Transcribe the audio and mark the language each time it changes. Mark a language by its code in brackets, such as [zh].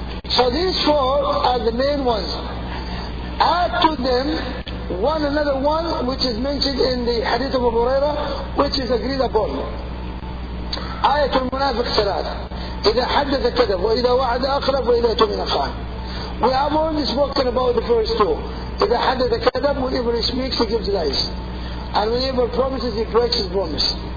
[en] So these four are the main ones. Add to them one another one which is mentioned in the Hadith of Abu Huraira, which is agreed upon. Ayat al-Munafiq Salat. [ar] إذا حدث كذب وإذا وعد أخلف وإذا أؤتمن خان. [en] We have already spoken about the first two. [ar] إذا حدث كذب, [en] whenever he speaks he gives lies, and whenever he promises he breaks his promise.